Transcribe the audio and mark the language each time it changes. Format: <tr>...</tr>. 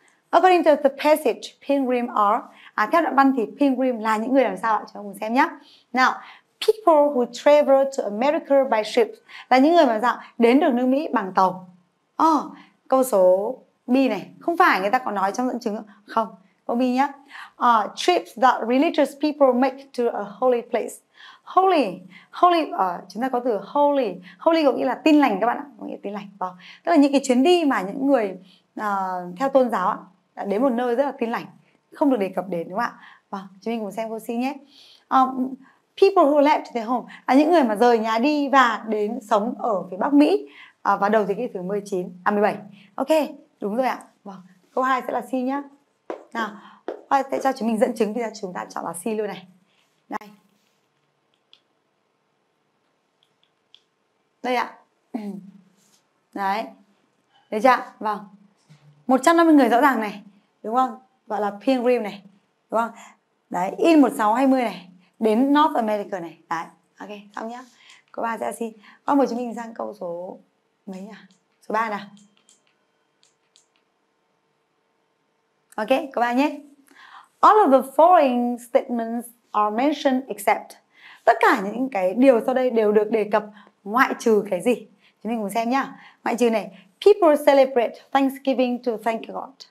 <en>According to the passage, pilgrim are</en> <vi>theo đoạn văn thì pilgrim là những người làm sao ạ? Chúng ta cùng xem nhé.</vi> <en>Now, people who travel to America by ship</en> <vi>là những người mà sao đến được nước Mỹ bằng tàu. Câu số B này, không phải người ta có nói trong dẫn chứng không? Câu B nhé.</vi> <en>Trips that religious people make to a holy place.</en> <vi>Holy, chúng ta có từ holy. Holy có nghĩa là tin lành các bạn ạ, có nghĩa tin lành. Vâng. Tức là những cái chuyến đi mà những người theo tôn giáo ạ, đến một nơi rất là tin lành, không được đề cập đến đúng không ạ? Vâng, chúng mình cùng xem câu C nhé.</vi> <en>People who left their home</en> <vi>là những người mà rời nhà đi và đến sống ở phía Bắc Mỹ vào đầu thế kỷ thứ 17. Ok, đúng rồi ạ. Vâng, câu 2 sẽ là C nhé. Nào, qua sẽ cho chúng mình dẫn chứng thì chúng ta chọn là C luôn này. Đây. Đây ạ. Đấy. Đấy chưa ạ? Vâng. 150 người rõ ràng này, đúng không? Gọi là pilgrim này, đúng không? Đấy, in 1620 này, đến North America này. Đấy. Ok, xong nhá. Câu 3 sẽ là C. Qua mời chúng mình sang câu số mấy nhỉ? Số 3 nào. Ok, có ba nhé.</vi> <en>All of the following statements are mentioned except.</en> <vi>Tất cả những cái điều sau đây đều được đề cập ngoại trừ cái gì? Chúng mình cùng xem nhá. Ngoại trừ này,</vi> <en>people celebrate Thanksgiving to thank God.</en>